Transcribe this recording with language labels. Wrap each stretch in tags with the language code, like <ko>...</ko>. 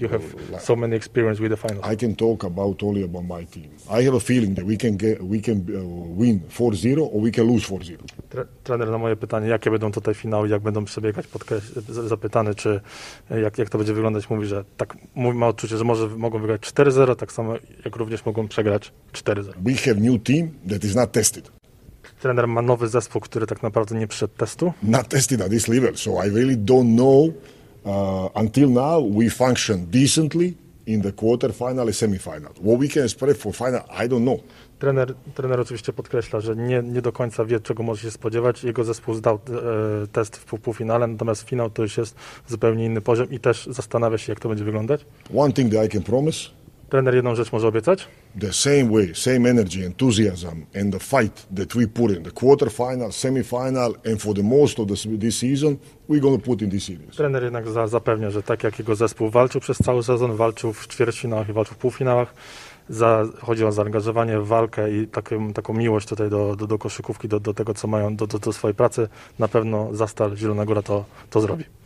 <en>You have so many experience with the finals. I can talk only about my team. I have a feeling that we can win 4-0 or we can lose 4-0.</en> <pl>Trener na moje pytanie, jakie będą tutaj finały, jak będą przebiegać, zapytany, czy jak to będzie wyglądać, mówi, że tak ma odczucie, że mogą wygrać 4-0, tak samo jak również mogą przegrać 4-0.</pl> <en>We have new team that is not tested.</en> <pl>Trener ma nowy zespół, który tak naprawdę nie przyszedł testu.</pl> <en>Not tested at this level, so I really don't know. Until now, we function decently in the quarterfinal and semifinal. What we can expect for final, I don't know.</en> <pl>Trener oczywiście podkreśla, że nie do końca wie, czego może się spodziewać. Jego zespół zdał test w półfinale, natomiast finał to już jest zupełnie inny poziom i też zastanawia się, jak to będzie wyglądać.</pl> <en>One thing that I can promise.</en> <pl>Trener jedną rzecz może obiecać.</pl> <en>The same way, same energy, enthusiasm and the fight that we put in the quarterfinal, semifinal and for the most of this season, we're going to put in this series.</en> <pl>Trener jednak zapewnia, że tak jak jego zespół walczył przez cały sezon, walczył w ćwierćfinałach i walczył w półfinałach, chodzi o zaangażowanie, walkę i taką miłość tutaj do koszykówki, do tego, co mają, do swojej pracy, na pewno Zastal Zielona Góra to zrobi.</pl>